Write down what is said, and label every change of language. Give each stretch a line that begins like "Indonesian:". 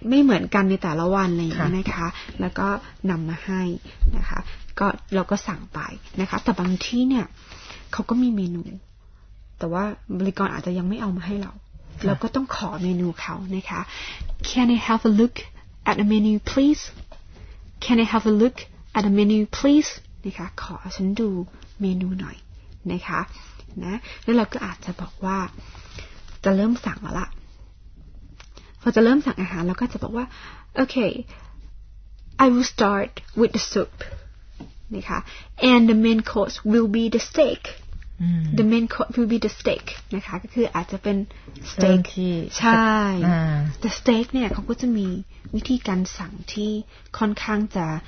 Thai: ไม่เหมือนกันในแต่ละวันอะไรอย่างนี้นะคะแล้วก็นำมาให้นะคะก็เราก็สั่งไปนะคะแต่บางที่เนี่ยเขาก็มีเมนูแต่ว่าบริกรอาจจะยังไม่เอามาให้เราเราก็ต้องขอเมนูเขานะคะ
English: Can I have a look at the menu please? Can I have a look at the menu please?
Thai: นะคะขอฉันดูเมนูหน่อยนะคะนะแล้วเราก็อาจจะบอกว่าจะเริ่มสั่งละพอจะเริ่มสั่งอาหารเราก็จะบอกว่า
English: Okay I will start with the soup
Thai: นะคะ
English: And the main course will be the steakThe main course will be the steak
Thai: นะคะก็คืออาจจะเป็น steak ใช่แต่ steak เนี่ยเขาก็จะมีวิธีการสั่งที่ค่อนข้างจะ